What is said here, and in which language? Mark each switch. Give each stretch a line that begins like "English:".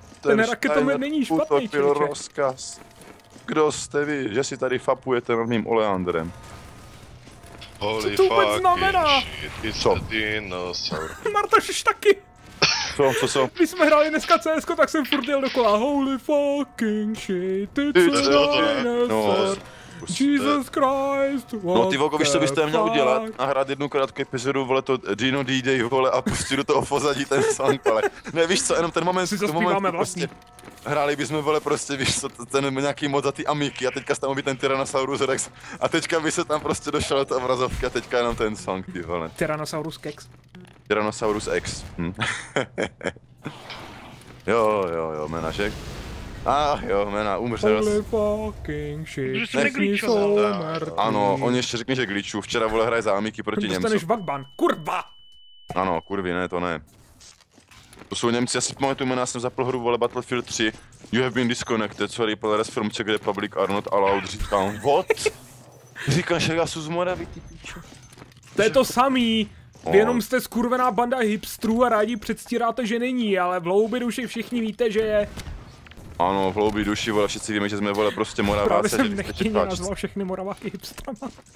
Czech: Ten raketomet není špatný, člověče. To byl rozkaz. Kdo jste vy, že si tady fapujete nad mým oleandrem? Holy co to vůbec znamená? Co? Martoš už taky. Co? My jsme hráli dneska CSko, tak jsem furt jel dokola.
English: Holy fucking shit, it's a dinosaur. Jesus Christ, what
Czech: no ty voko, víš, co byste měl udělat? Nahrát jednu krátkou epizodu, vole, to Dino D-Day, vole, a pustit do toho pozadí ten song, ale nevíš co, jenom ten moment, si moment vlastně. Prostě, hráli bychom, vole, prostě, víš co, ten nějaký mod za ty Amiky a teďka se tam ten Tyrannosaurus Rex a teďka by se tam prostě došel ta obrazovka a teďka jenom ten song, ty vole. Tyrannosaurus Kex. Tyrannosaurus X. Jo, menažek. Ach jo, jména, umře raz.
English: Holy fucking shit,
Czech: nechni jsou mrtví. Ano, on ještě řekne, že glitchu, včera vole hraje za Amiky proti Němcům. Dostaneš bugban, kurva! Ano, kurvi, ne, to ne. To jsou Němci, já si pamatuju jména, jsem zapl hru, vole, Battlefield 3.
English: You have been disconnected, sorry, players from Czech Republic are not allowed,
Czech: říkám,
English: what?
Czech: Říkáš, že já jsem z Moravy, ty pičo. To je to samý. Vy jenom jste skurvená banda hipstrů a rádi předstíráte, že není, ale v hloubi duši všichni víte, že je. Ano, v hloubi duši, vole, všichni víme, že jsme, vole, prostě Moraváci. Právě jsem nechtěně nazval všechny Moraváky hipstrama.